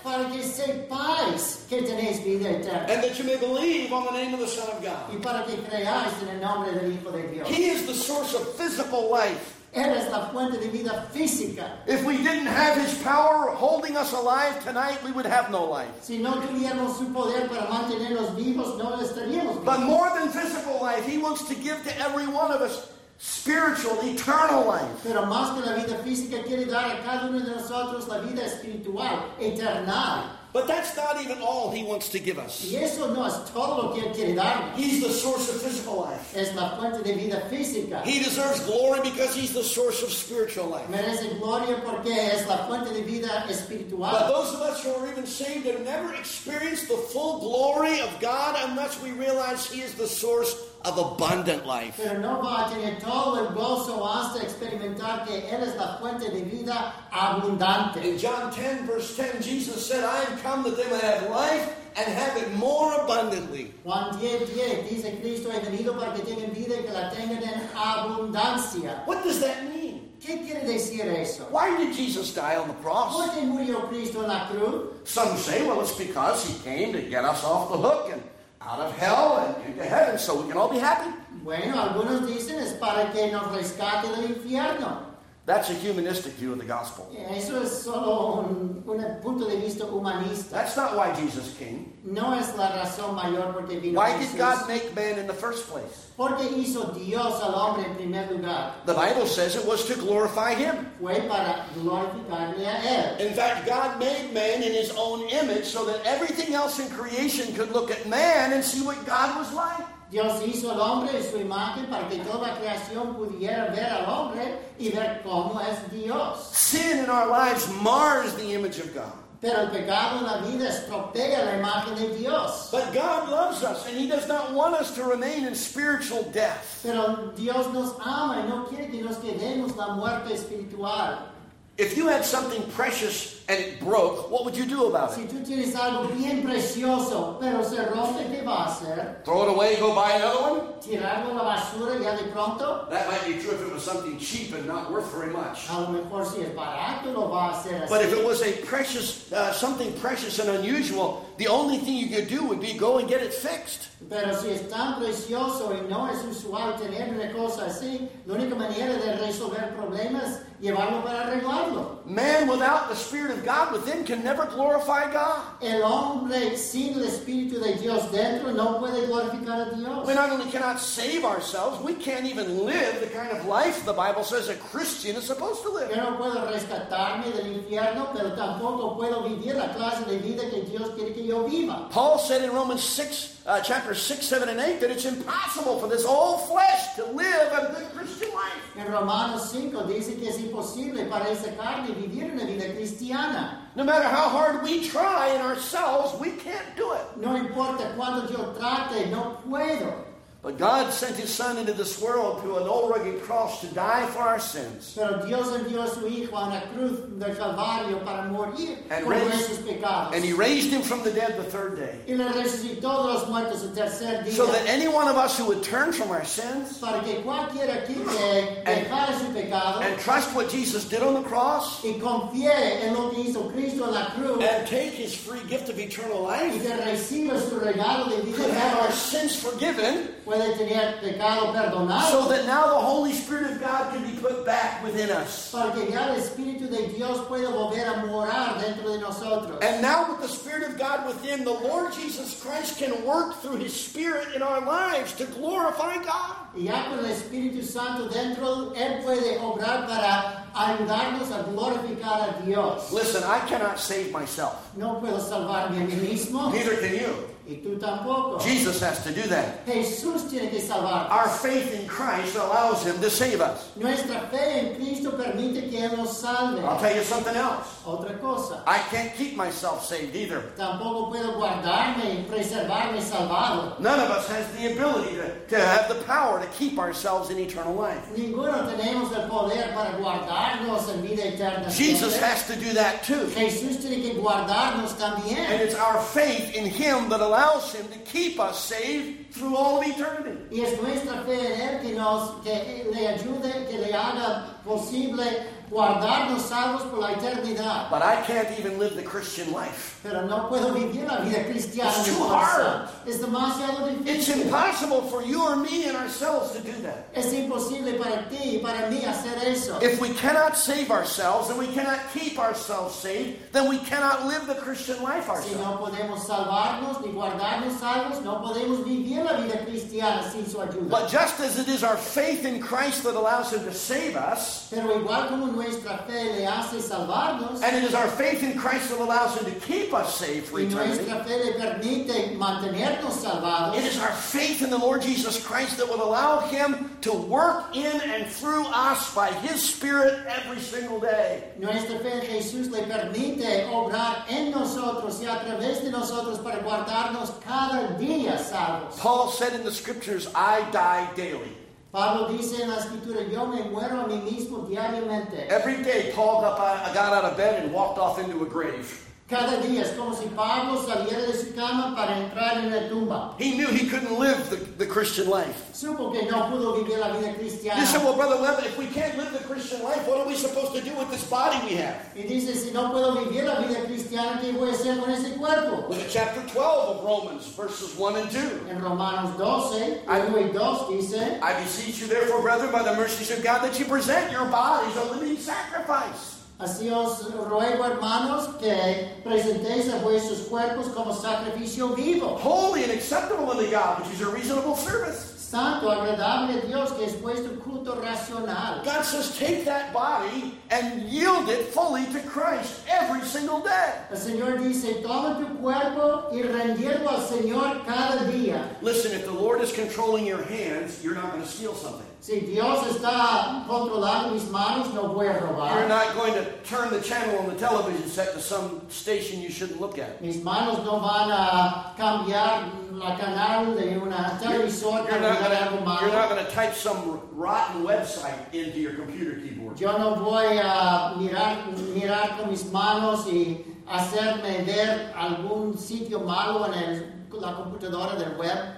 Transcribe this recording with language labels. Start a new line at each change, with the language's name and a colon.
Spanish: Para que sepáis que tenéis vida eterna.
English: And that you may believe on the name of the Son of God.
Spanish: Y para que creáis en el nombre del Hijo de Dios.
English: He is the source of physical life.
Spanish: Él es la fuente de vida física.
English: If we didn't have His power holding us alive tonight, we would have no life.
Spanish: Si no tuviéramos su poder para mantenernos vivos, no estaríamos vivos.
English: But more than physical life, He wants to give to every one of us spiritual, eternal life.
Spanish: Pero más que la vida física, quiere dar a cada uno de nosotros la vida espiritual, eterna.
English: But that's not even all He wants to give us.
Spanish: Y eso no es todo lo que Él quiere dar.
English: He's the source of physical life.
Spanish: Es la fuente de vida física.
English: He deserves glory because He's the source of spiritual life.
Spanish: Merece gloria porque es la fuente de vida espiritual.
English: But those of us who are even saved have never experienced the full glory of God unless we realize He is the source of abundant life.
Spanish: Pero no va a tener todo el gozo hasta experimentar que Él es la fuente de vida abundante.
English: In John 10, verse 10, Jesus said, I am come that they may have life and have it more abundantly.
Spanish: Juan 10:10 dice, Cristo he venido para que tengan vida y que la tengan en abundancia.
English: What does that mean?
Spanish: ¿Qué quiere decir eso?
English: Why did Jesus die on the cross?
Spanish: ¿Por qué murió Cristo en la cruz?
English: Some say, well, it's because He came to get us off the hook and out of hell and into heaven, so we can all be happy.
Spanish: Bueno, algunos dicen es para que nos rescate del infierno.
English: That's a humanistic view of the gospel.
Spanish: Eso es solo un punto de vista humanista.
English: That's not why Jesus came.
Spanish: No es la razón mayor porque vino
English: why Jesus. Did God make man in the first place?
Spanish: Porque hizo Dios al hombre en primer lugar.
English: The Bible says it was to glorify Him.
Spanish: Fue para glorificarle a Él.
English: In fact, God made man in His own image so that everything else in creation could look at man and see what God was like.
Spanish: Dios hizo al hombre en su imagen para que toda creación pudiera ver al hombre y ver cómo es Dios.
English: Sin in our lives mars the image of God.
Spanish: Pero el pecado en la vida estropea la imagen de Dios.
English: But God loves us and He does not want us to remain in spiritual death.
Spanish: Pero Dios nos ama y no quiere que nos quedemos la muerte espiritual.
English: If you had something precious and it broke, what would you do about it?
Spanish: Si tú tienes algo bien precioso, pero se rompe, ¿qué va a hacer?
English: Throw it away, go buy another one?
Spanish: Tirarlo a la basura ya de pronto?
English: That might be true if it was something cheap and not worth very much.
Spanish: A lo mejor si es barato, lo va a hacer así.
English: But if it was a precious, something precious and unusual, the only thing you could do would be go and get it fixed.
Spanish: Pero si es tan precioso y no es usual tener una cosa así, la única manera de resolver problemas llevarlo para arreglarlo.
English: Man without the Spirit of God within can never glorify God.
Spanish: El hombre sin el Espíritu de Dios dentro no puede glorificar a Dios.
English: We not only cannot save ourselves, we can't even live the kind of life the Bible says a Christian is supposed to live.
Spanish: Yo no puedo rescatarme del infierno, pero tampoco puedo vivir la clase de vida que Dios quiere que yo viva.
English: Paul said in Romans 6, chapter 6, 7, and 8, that it's impossible for this old flesh to live a good Christian life.
Spanish: En Romanos 5 dice que es imposible para esa carne vivir una vida cristiana.
English: No matter how hard we try in ourselves, we can't do it.
Spanish: No importa cuánto yo trate, no puedo.
English: But God sent His Son into this world to an old rugged cross to die for our sins.
Spanish: Pero Dios envió a su Hijo a una cruz del Calvario para morir por nuestros pecados.
English: And He raised Him from the dead the third day.
Spanish: Y le resucitó de los muertos el tercer día.
English: So that any one of us who would turn from our sins
Spanish: para que cualquiera aquí dejara su pecado
English: and trust what Jesus did on the cross
Spanish: y confíe en lo que hizo Cristo en la cruz
English: and take His free gift of eternal life
Spanish: y que reciba su regalo de vida
English: could have our sins forgiven.
Spanish: Puede tener pecado perdonado.
English: So that now the Holy Spirit of God can be put back within us.
Spanish: Para que ya el Espíritu de Dios pueda volver a morar dentro de nosotros.
English: And now with the Spirit of God within, the Lord Jesus Christ can work through His Spirit in our lives to glorify God.
Spanish: Y ya con el Espíritu Santo dentro, Él puede obrar para ayudarnos a glorificar a Dios.
English: Listen, I cannot save myself.
Spanish: No puedo salvarme a mí mismo.
English: Neither can you.
Spanish: Y tú tampoco.
English: Jesus has to do that.
Spanish: Jesús tiene que salvarnos.
English: Our faith in Christ allows him to save us.
Spanish: Nuestra fe en Cristo permite que él nos salve.
English: I'll tell you something else.
Spanish: Otra cosa.
English: I can't keep myself saved either.
Spanish: Tampoco puedo guardarme y preservarme salvado.
English: None of us has the ability to have the power to keep ourselves in eternal life.
Spanish: Ninguno tenemos el poder para guardarnos en vida eterna.
English: Jesus has to do that too.
Spanish: Jesús tiene que guardarnos también.
English: And it's our faith in him that allows him to keep us saved through all of eternity.
Spanish: Y es nuestra fe en él que nos que le ayude, que le haga posible guardarnos salvos por la eternidad.
English: But I can't even live the Christian life.
Spanish: Pero no puedo vivir la vida cristiana.
English: It's too hard.
Spanish: Es demasiado difícil.
English: It's impossible for you or me and ourselves to do that.
Spanish: Es imposible para ti y para mí hacer eso.
English: If we cannot save ourselves and we cannot keep ourselves saved, then we cannot live the Christian life ourselves.
Spanish: Si no podemos salvarnos ni guardarnos salvos, no podemos vivir la vida cristiana sin su ayuda.
English: But just as it is our faith in Christ that allows him to save us,
Spanish: pero igual como nuestra fe le hace salvarnos,
English: and it is our faith in Christ that allows him to keep us safe for eternity.
Spanish: Nuestra fe le permite mantenernos salvados.
English: It is our faith in the Lord Jesus Christ that will allow him to work in and through us by his Spirit every single day.
Spanish: Nuestra fe en Jesús le permite obrar en nosotros y a través de nosotros para guardarnos cada día salvos.
English: Paul said in the scriptures, I die daily.
Spanish: Pablo dice en la escritura, yo me muero a mí mismo diariamente.
English: Every day, Paul got out of bed and walked off into a grave.
Spanish: Cada día es como si Pablo saliera de su cama para entrar en la tumba.
English: He knew he couldn't live the Christian life.
Spanish: Supo que no pudo vivir la vida cristiana.
English: He said, well, Brother Levin, if we can't live the Christian life, what are we supposed to do with this body we have?
Spanish: Y dice, si no puedo vivir la vida cristiana, ¿qué voy a hacer con ese cuerpo?
English: Look at chapter 12 of Romans, verses 1 and 2.
Spanish: En Romanos 12, 1 y 2 dice,
English: I beseech you therefore, brethren, by the mercies of God, that you present your bodies a living sacrifice.
Spanish: Así os ruego, hermanos, que presentéis a vuestros cuerpos como sacrificio vivo.
English: Holy and acceptable unto God, which is your reasonable service.
Spanish: Santo, agradable a Dios, que es vuestro culto racional.
English: God says, take that body and yield it fully to Christ every single day.
Spanish: El Señor dice, toma tu cuerpo y rendirlo al Señor cada día.
English: Listen, if the Lord is controlling your hands, you're not going to steal something.
Spanish: Si Dios está controlando mis manos, no voy a robar.
English: You're not going to turn the channel on the television set to some station you shouldn't look at.
Spanish: Mis manos no van a cambiar la canal de una televisión.
English: You're not going to type some rotten website into your computer keyboard.
Spanish: Yo no voy a mirar con mis manos y hacerme ver algún sitio malo en el la computadora del web.